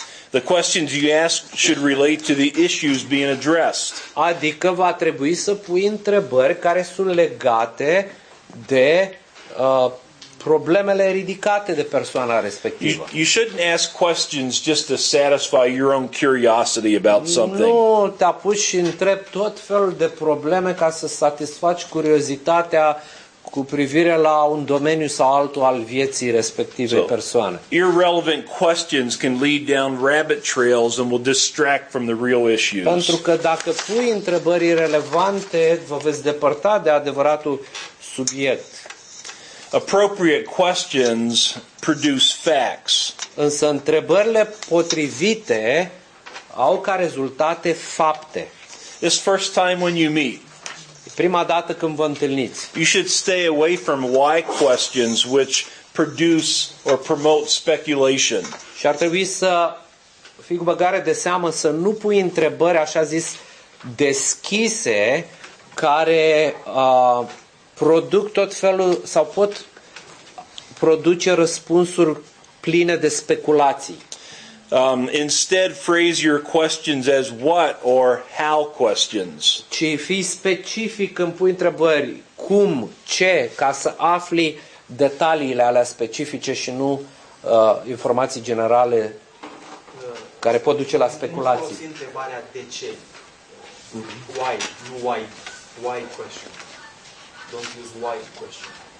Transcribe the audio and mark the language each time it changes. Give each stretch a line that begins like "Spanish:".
English: The questions you ask should relate to the issues being addressed.
Romanian: Adică va trebui să pui întrebări care sunt legate de problemele ridicate de persoana respectivă.
English: You shouldn't ask questions just to satisfy your own curiosity about something.
Romanian: Nu te apuci și întrebi tot felul de probleme ca să satisfaci curiozitatea cu privire la un domeniu sau altul al vieții respective persoane.
English: Irrelevant questions can lead down rabbit trails and will distract from the real issues.
Romanian: Pentru că dacă pui întrebări irrelevante, vă veți depărta de adevăratul subiect.
English: Appropriate questions produce facts.
Romanian: Însă întrebările potrivite au ca rezultate fapte.
English: This first time when you meet.
Romanian: Prima dată când vă întâlniți.
English: You should stay away from why questions which produce or promote speculation.
Romanian: Și ar trebui să fii cu băgare de seamă să nu pui întrebări, așa zis, deschise, care produc tot felul sau pot produce răspunsuri pline de speculații.
English: Instead phrase your questions as what or how questions.
Romanian: Ci fii specific când pui întrebări, cum, ce, ca să afli detaliile alea specifice și nu informații generale care pot duce la speculații. Nu folosi întrebarea de ce.
English: Why,
Romanian: nu
English: why. Why question. Don't use why question.